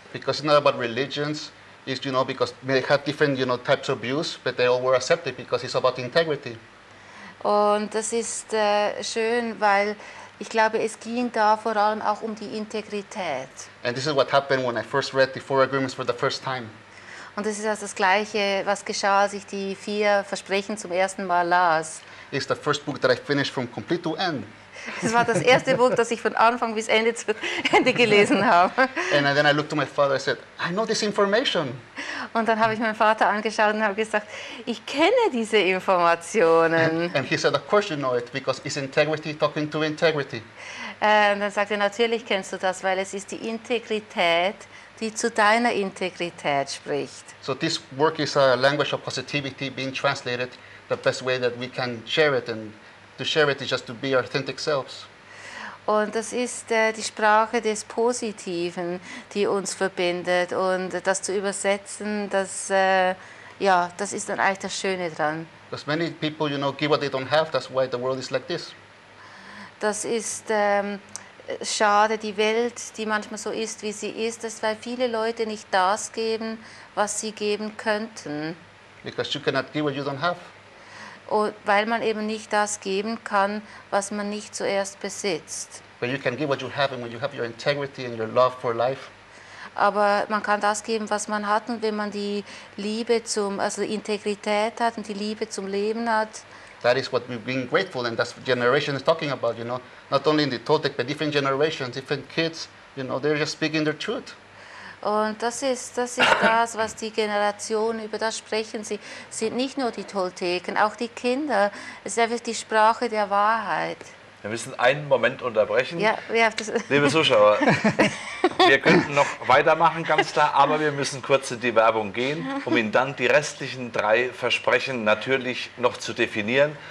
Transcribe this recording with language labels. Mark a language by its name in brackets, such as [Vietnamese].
[English] Because it's not about religions, it's, you know, because they have different, you know, types of views, but they all were accepted because it's about integrity. [German] Und das ist schön, weil ich glaube, es ging da vor allem auch um die Integrität. [English] And this is what happened when I first read the four agreements for the first time. [German] Und das ist also das Gleiche, was geschah, als ich die vier Versprechen zum ersten Mal las. [English] It's the first book that I finished from complete to end. [German] Das war das erste Buch, das ich von Anfang bis Ende zu Ende gelesen habe. [English] And then I looked to my father and said, I know this information. [German] Und dann habe ich meinen Vater angeschaut und habe gesagt, ich kenne diese Informationen. [English] And he said, of course you know it, because it's integrity talking to integrity. [German] Und dann sagte er, natürlich kennst du das, weil es ist die Integrität, die zu deiner Integrität spricht. [English] So this work is a language of positivity being translated the best way that we can share it. And to share it is just to be authentic selves. [German] Und das ist die Sprache des Positiven, die uns verbindet. Und das zu übersetzen, das, ja, das ist dann eigentlich das Schöne dran. [English] Because many people, you know, give what they don't have. That's why the world is like this. [German] Das ist schade, die Welt, die manchmal so ist, wie sie ist. Das ist, weil viele Leute nicht das geben, was sie geben könnten. [English] Because you cannot give what you don't have. [German] Und weil man eben nicht das geben kann, was man nicht zuerst besitzt. [English] But you can give what you have, and when you have your integrity and your love for life. [German] Aber man kann das geben, was man hat, und wenn man die Liebe zum, also Integrität hat und die Liebe zum Leben hat. [English] That is what we've been grateful, and that's what generation is talking about, you know. Not only in the Toltec, but different generations, different kids, you know, they're just speaking their truth. [German] Und das ist das, was die Generationen, über das sprechen sie, sind nicht nur die Tolteken, auch die Kinder. Es ist einfach die Sprache der Wahrheit. Wir müssen einen Moment unterbrechen. Ja, wir haben das. Liebe Zuschauer, wir könnten noch weitermachen, ganz klar, aber wir müssen kurz in die Werbung gehen, um Ihnen dann die restlichen drei Versprechen natürlich noch zu definieren.